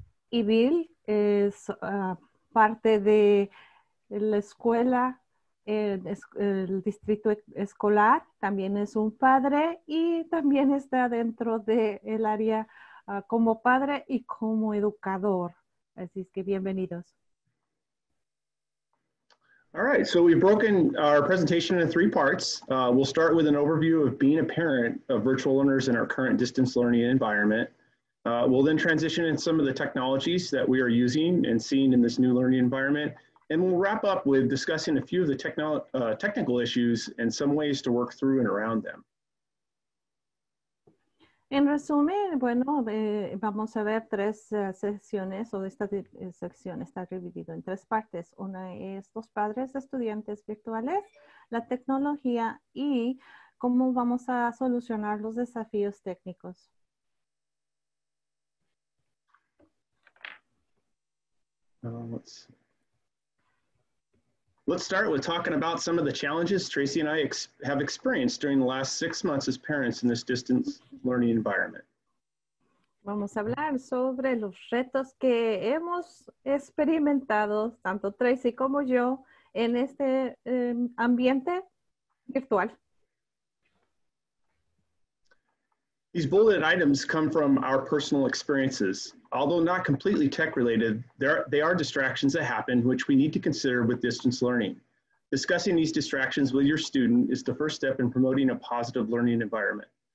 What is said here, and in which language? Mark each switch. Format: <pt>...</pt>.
<es>Y Bill es parte de la escuela, el distrito escolar, también es un padre y también está dentro del área como padre y como educador. Así es que bienvenidos.</es> <en>All right, so we've broken our presentation into three parts. We'll start with an overview of being a parent of virtual learners in our current distance learning environment. We'll then transition into some of the technologies that we are using and seeing in this new learning environment. And we'll wrap up with discussing a few of the technical issues and some ways to work through and around them.</en> <es>En resumen, bueno, vamos a ver tres sesiones, o esta sección está dividida en tres partes. Una es los padres de estudiantes virtuales, la tecnología y cómo vamos a solucionar los desafíos técnicos.</es> <en>Let's start with talking about some of the challenges Tracy and I have experienced during the last 6 months as parents in this distance learning environment.</en> <es>Vamos a hablar sobre los retos que hemos experimentado tanto Tracy como yo en este ambiente virtual.</es> <en>These bulleted items come from our personal experiences. Although not completely tech related, they are distractions that happen which we need to consider with distance learning. Discussing these distractions with your student is the first step in promoting a positive learning environment.</en>